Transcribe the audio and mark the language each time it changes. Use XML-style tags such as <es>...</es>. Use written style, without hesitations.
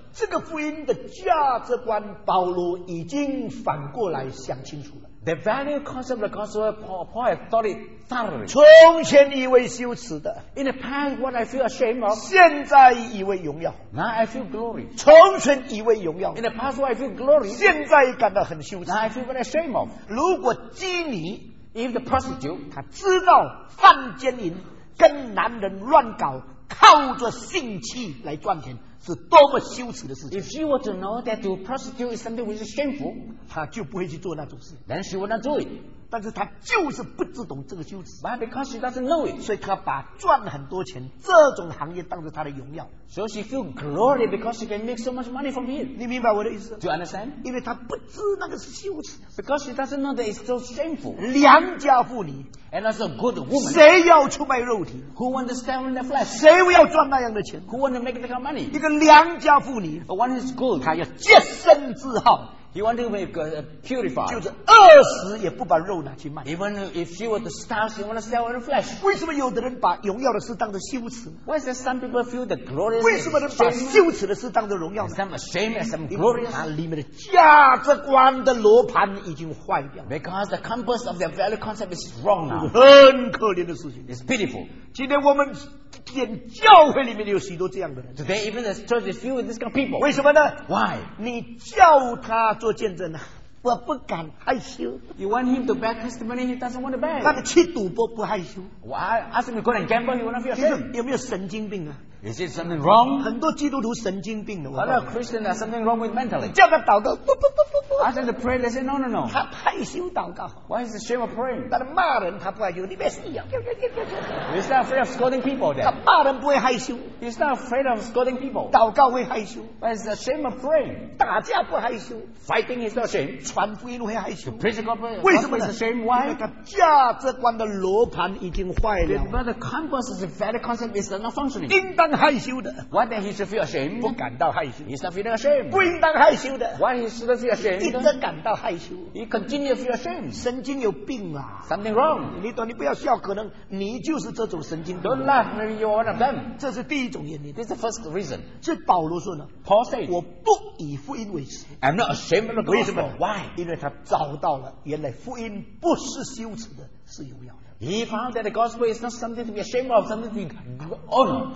<zh>这个福音的价值观，保罗已经反过来想清楚了。</zh> <en>The value concept of the gospel, Paul had thought it thoroughly.</en> <zh>从前以为羞耻的,</zh> <en>in the past, what I feel ashamed of.</en> <zh>现在以为荣耀,</zh> <en>now I feel glory.</en> <zh>从前以为荣耀,</zh> <en>in the past, what I feel glory.</en> <zh>现在感到很羞耻,</zh> <en>now I feel very ashamed of.</en> <zh>如果基尼,</zh> <en>if the prostitute,</en> <zh>他知道犯奸淫, 跟男人乱搞, 靠着性器来赚钱, 是多么羞耻的事情。</zh> <en>If she were to know that to prostitute is something which is shameful,</en> <zh>她就不会去做那种事。</zh> <en>Then she would not do it.</en> <zh>但是她就是不知道这个羞耻。</zh> <en>But because she doesn't know it,</en> <zh>所以她把赚很多钱, 这种行业当作她的荣耀。</zh> <en>So she feels glory because she can make so much money from it.</en> <zh>你明白我的意思?</zh> <en>Do you understand?</en> <zh>因为她不知道那个是羞耻。</zh> <en>Because she doesn't know that it's so shameful.</en> <zh>良家妇女,</zh> <en>and as a good woman,</en> <zh>谁要出卖肉体?</zh> <en>Who wants to stand in the flesh?</en> <zh>谁要赚那样的钱?</zh> <en>Who wants to make that kind of money?</en> <zh>一个良家妇女,</zh> <en>but one is good,</en> <zh>她要洁身自好。</zh> <en>He wanted to make a purified.</en> <zh>就是饿死也不把肉拿去卖。</zh> <en>Even if she were to starve, she wanted to sell her flesh.</en> <zh>为什么有的人把荣耀的事当作羞耻?</zh> <en>Why is there some people feel the glorious?</en> <zh>为什么人把羞耻的事当作荣耀呢?</zh> <en>Some ashamed and some glorious.</en> <zh>它里面的价值观的罗盘已经坏掉了。</zh> <en>Because the compass of their value concept is wrong now.</en> <zh>很可怜的事情。</zh> <en>It's pitiful.</en> <zh>今天我们 连教会里面有许多这样的人。</zh> <en>Today even the church is filled with this kind of people.</en> <zh>为什么呢?</zh> <en>Why?</en> <zh>你叫他做见证啊, 我不敢害羞。</zh> <en>You want him to bear testimony, he doesn't want to bear.</en> <zh>他去赌博不害羞。</zh> <en>Why? Ask him to go and gamble, he won't feel ashamed.</en> <zh>有没有神经病啊?</zh> <en>Is it something wrong?</en> <zh>很多基督徒神经病的。</zh> <en>A lot of Christians are something wrong with mentally.</en> <zh>叫他祷告, 不不不不不。</zh> <en>Ask him to pray, they say, no.</en> <zh>他害羞祷告。</zh> <en>Why is it shame of praying?</en> <zh>但他骂人他不害羞, 你别死啊。</zh> <en>He's not afraid of scolding people then.</en> <zh>他骂人不会害羞。</zh> <en>He's not afraid of scolding people.</en> <zh>祷告会害羞。</zh> <en>Why is it shame of praying?</en> <zh>打架不害羞。</zh> <en>Fighting is not shame.</en> <zh>传福音会害羞。</zh> <en>Praise God, pray.</en> <zh>为什么呢?</zh> <en>It's a shame, why?</en> <zh>那个价值观的罗盘已经坏了。</zh> <en>But the compass is a valid concept, it's not functioning.</en> <zh>不应当害羞的,</zh> <en>why then he should feel ashamed?</en> <zh>不感到害羞,</zh> <en>he's not feeling ashamed.</en> <zh>不应当害羞的,</zh> <en>why he should feel ashamed?</en> <zh>一直感到害羞,</zh> <en>he continue feel ashamed.</en> <zh>神经有病啊,</zh> <en>something wrong.</en> <zh>你懂你不要笑, 可能你就是这种神经,</zh> <en>don't laugh, maybe you're one of them.</en> <zh>这是第一种原因,</zh> <en>this is the first reason.</en> <zh>是保罗说呢,</zh> <en>Paul said,</en> <zh>我不以福音为耻,</zh> <en>I'm not ashamed of the gospel.</en> <zh>为什么?</zh> <en>Why?</en> <zh>因为他找到了, 原来福音不是羞耻的是荣耀。</zh> <en>He found that the gospel is not something to be ashamed of, something to be honored.</en>